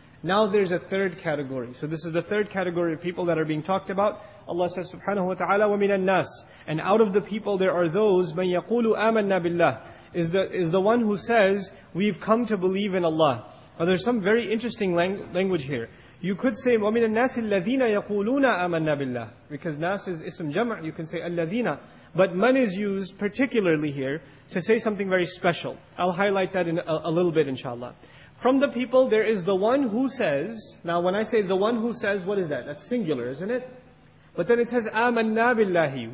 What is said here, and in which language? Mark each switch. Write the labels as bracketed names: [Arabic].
[English] Now there's a third category. So this is the third category of people that are being talked about. Allah says, Subhanahu wa ta'ala, [Arabic] وَمِنَ النَّاسِ. [English] And out of the people there are those, [Arabic] مَنْ يَقُولُ آمَنَّا بِاللَّهِ. [English] Is the one who says, we've come to believe in Allah. Now there's some very interesting language here. You could say, [Arabic] وَمِنَ النَّاسِ الَّذِينَ يَقُولُونَ آمَنَّا بِاللَّهِ. [English] Because nas is ism jam'a, you can say الَّذِينَ. But man is used particularly here to say something very special. I'll highlight that in a little bit, inshallah. From the people, there is the one who says, now when I say the one who says, what is that? That's singular, isn't it? But then it says, [Arabic] آمَنَّا بِاللَّهِ.